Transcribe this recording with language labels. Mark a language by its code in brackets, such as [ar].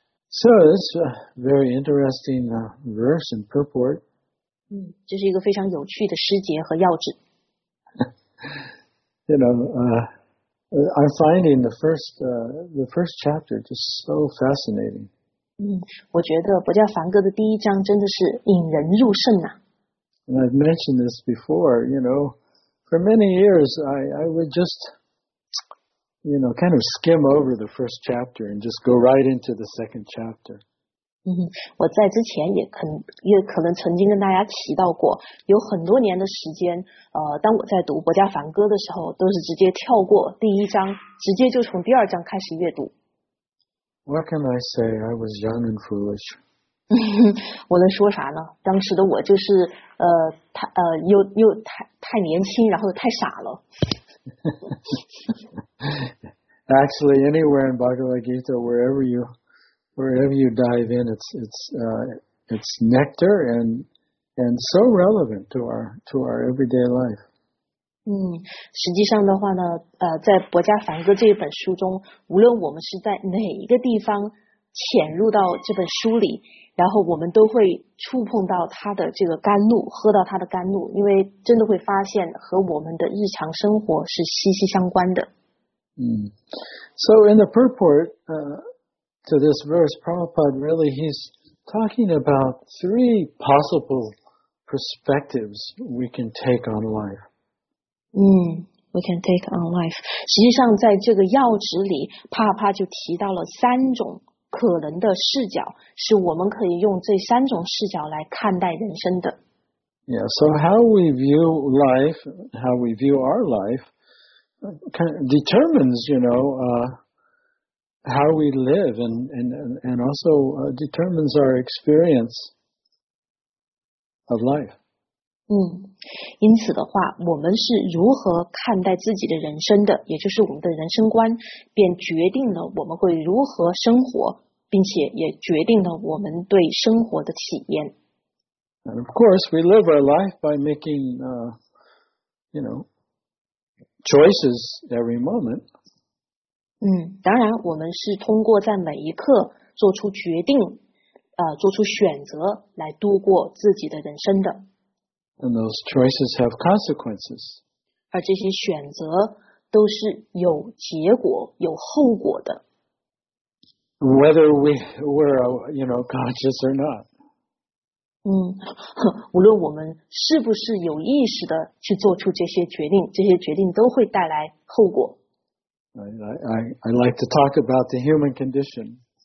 [en] So, it's a very interesting verse and purport. [zh] 这是一个非常有趣的诗节和要旨。 [en] I'm finding the first chapter just so fascinating. [zh] 我觉得《薄伽梵歌》的第一章真的是引人入胜啊。 [en] And I've mentioned this before, you know, for many years I would just, you know, kind of skim over the first chapter and just go right into the second chapter. [zh] 我在之前也可能曾经跟大家提到过，有很多年的时间，当我在读《薄伽梵歌》的时候，都是直接跳过第一章，直接就从第二章开始阅读。 [en] What can I say? I was young and foolish. [zh] 我能说啥呢？当时的我就是又太年轻，然后太傻了。 [en] Actually, anywhere in Bhagavad Gita, wherever you dive in, it's nectar and so relevant to our everyday life. [zh] 实际上的话呢，在《博伽梵歌》这本书中，无论我们是在哪一个地方潜入到这本书里，然后我们都会触碰到它的这个甘露，喝到它的甘露，因为真的会发现和我们的日常生活是息息相关的。 [en] So in the purport to this verse, Prabhupada really he's talking about three possible perspectives we can take on life. We can take on life. [zh] 实际上在这个要旨里，帕帕就提到了三种可能的视角，是我们可以用这三种视角来看待人生的。 [en] Yeah, so how we view life, how we view our life,determines, you know, how we live and also determines our experience of life. [zh] 因此的话，我们是如何看待自己的人生的，也就是我们的人生观，便决定了我们会如何生活，并且也决定了我们对生活的体验。 [en] And of course, we live our life by making, you know,choices every moment. [zh] 当然我们是通过在每一刻做出决定，做出选择来度过自己的人生的。 [en] And those choices have consequences. [zh] 而这些选择都是有结果，有后果的。 [en] Whether we're, you know, conscious or not. [zh] 无论我们是不是有意识的去做出这些决定，这些决定都会带来后果。 [en] I like to talk about the human condition.